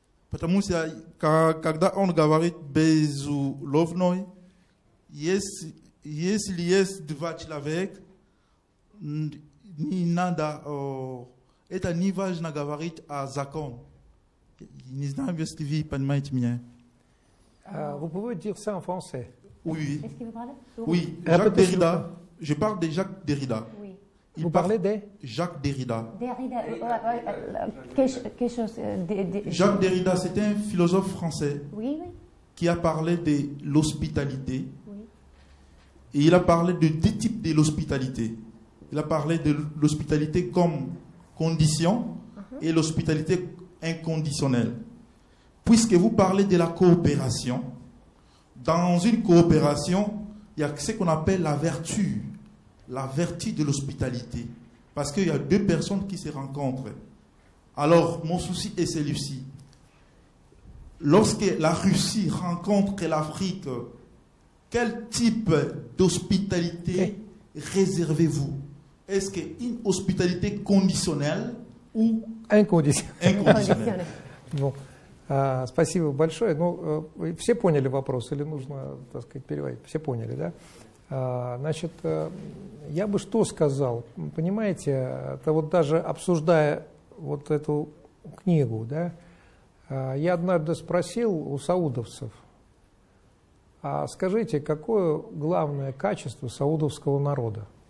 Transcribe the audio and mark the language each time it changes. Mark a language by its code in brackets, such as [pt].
[ru] Потому что когда он говорит безусловной, если есть два человека, не надо, это не важно говорить о законе. Не знаю, если вы понимаете меня. Вы можете говорить это на французском? [fr] Oui. Oui. Жак Деррида. Je parle de Jacques Derrida. Oui. Vous parlez de Jacques Derrida. Derrida, quelque chose. Jacques Derrida, c'est un philosophe français. Oui, oui. Qui a parlé de l'hospitalité. Oui. Et il a parlé de deux types de l'hospitalité. Il a parlé de l'hospitalité comme condition et l'hospitalité inconditionnelle. Puisque vous parlez de la coopération, dans une coopération, il y a ce qu'on appelle la vertu de l'hospitalité. Parce qu'il y a deux personnes qui se rencontrent. Alors, mon souci est celui-ci. Lorsque la Russie rencontre l'Afrique, quel type d'hospitalité réservez-vous? Est-ce qu'une hospitalité conditionnelle ou inconditionnelle? Bon. [ru] Спасибо большое. Ну, все поняли вопрос или нужно, так сказать, переводить? Все поняли, да? Значит, я бы что сказал? Понимаете, это вот даже обсуждая вот эту книгу, да, я однажды спросил у саудовцев, а скажите, какое главное качество саудовского народа?